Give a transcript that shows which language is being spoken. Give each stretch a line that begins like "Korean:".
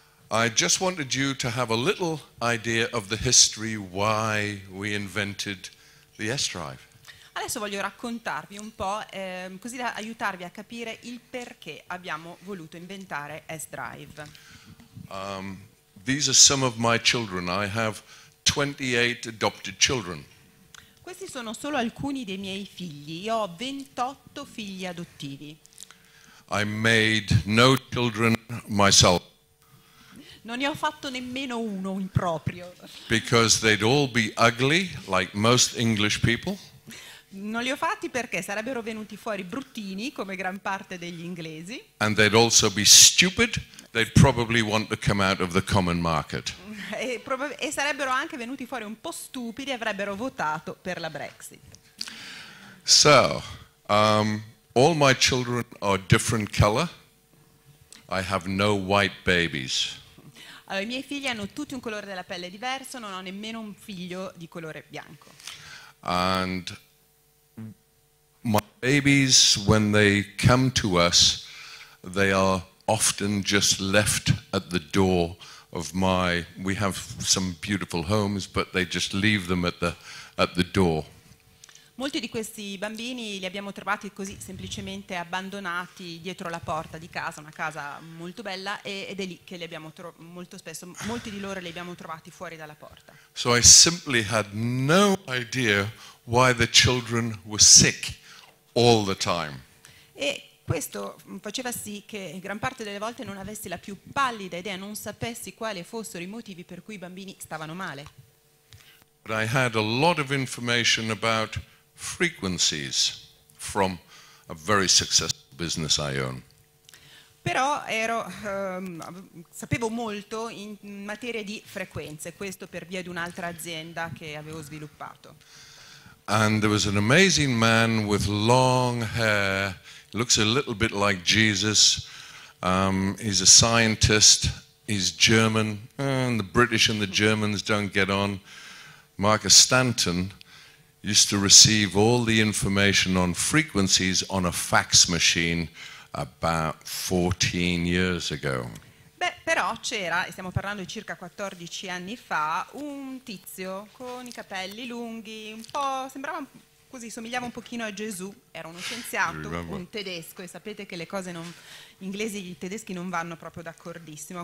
English: I just wanted you to have a little idea of the history why we invented the S-Drive.
Italian: Adesso voglio raccontarvi un po', così da aiutarvi a capire il perché abbiamo voluto inventare S-Drive.
English: These are some of my children. I have 28 adopted children.
Italian: Questi sono solo alcuni dei miei figli. Io ho 28 figli adottivi.
English: I made no children myself.
Italian: Non ne ho fatto nemmeno uno in proprio.
English: Because they'd all be ugly, like most English people.
Italian: Non li ho fatti perché sarebbero venuti fuori bruttini come gran parte degli inglesi.
English: And they'd also be stupid. They'd probably want to come out of the common market.
Italian: E sarebbero anche venuti fuori un po' stupidi e avrebbero votato per la Brexit.
English: So, all my children are different color. I have no white babies.
Italian: Allora, i miei figli hanno tutti un colore della pelle diverso, non ho nemmeno un figlio di colore bianco.
English: And my babies, when they come to us, they are often just left at the door of my... We have some beautiful homes, but they just leave them at the door.
Italian: Molti di questi bambini li abbiamo trovati così semplicemente abbandonati dietro la porta di casa, una casa molto bella, ed è lì che li abbiamo molti di loro li abbiamo trovati fuori dalla porta.
English: So I simply had no idea why the children were sick all the time.
Italian: E questo faceva sì che gran parte delle volte non avessi la più pallida idea, non sapessi quali fossero i motivi per cui i bambini stavano male.
English: But I had a lot of information about frequencies from a very successful business I own.
Italian: Però sapevo molto in materia di frequenze, questo per via di un'altra azienda che avevo sviluppato.
English: And there was an amazing man with long hair. He looks a little bit like Jesus. He's a scientist. He's German. And the British and the Germans don't get on. Marcus Stanton used to receive all the information on frequencies on a fax machine about 14 years ago.
Italian: Beh, però c'era, stiamo parlando di circa 14 anni fa, un tizio con i capelli lunghi, un po' sembrava così, somigliava un pochino a Gesù, era uno scienziato, un tedesco, e sapete che le cose non inglesi e tedeschi non vanno proprio d'accordissimo.